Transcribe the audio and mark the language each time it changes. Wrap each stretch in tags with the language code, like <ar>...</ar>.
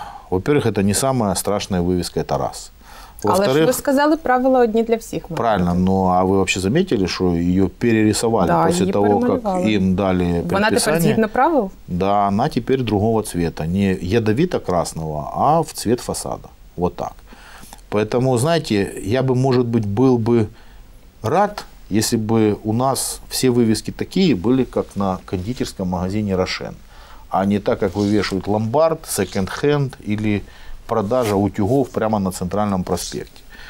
<ru>Во-первых, это не самая страшная вывеска, это раз. Во-вторых,</ru> <uk>але ж ви сказали, правила одні для всіх. Правильно, ну а ви взагалі заметили, що її перерисували, да, після того, як їм дали</uk> <ru>предписание?</ru> <uk>Вона тепер згідно правил? Да, вона тепер</uk> <ru>другого цвета. Не ядовито-красного, а в цвет фасада. Вот так. Поэтому, знаете, я бы, может быть, был бы рад, если бы у нас все вывески такие были, как на кондитерском магазине «Рошен», а не так, как вывешивают ломбард, секонд-хенд или продажа утюгов прямо на центральном проспекте.</ru>